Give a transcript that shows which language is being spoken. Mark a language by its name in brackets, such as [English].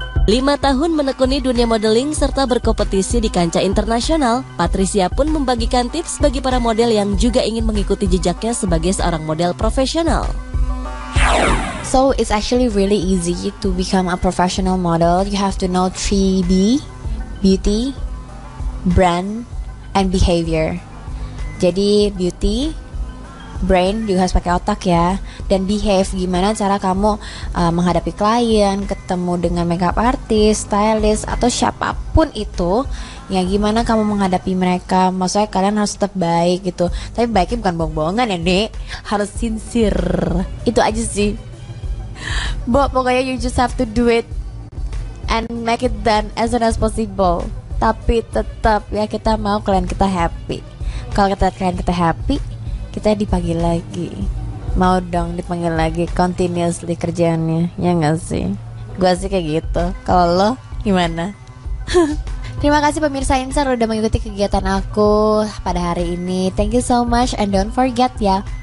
[Indonesian] Lima tahun menekuni dunia modeling serta berkompetisi di kancah internasional, Patricia pun membagikan tips bagi para model yang juga ingin mengikuti jejaknya sebagai seorang model profesional. [English] So it's actually really easy to become a professional model. You have to know 3B, beauty, brand, and behavior. Jadi beauty, [Indonesian] brain, juga harus pakai otak ya. Dan behave, gimana cara kamu menghadapi klien, ketemu dengan makeup artist, stylist, atau siapapun itu. Ya gimana kamu menghadapi mereka, maksudnya kalian harus tetap baik gitu. Tapi baiknya bukan bohong-bohongan ya, Nek. Harus sincere. Itu aja sih. [English] Bo, pokoknya you just have to do it and make it done as soon as possible. [Indonesian] Tapi tetap ya, kita mau klien kita happy. Kalau kita klien kita happy, kita dipanggil lagi. Mau dong dipanggil lagi continuously kerjaannya, ya gak sih? Gua sih kayak gitu. Kalau lo gimana? Terima kasih pemirsa Insar udah mengikuti kegiatan aku pada hari ini. [English] Thank you so much and don't forget ya.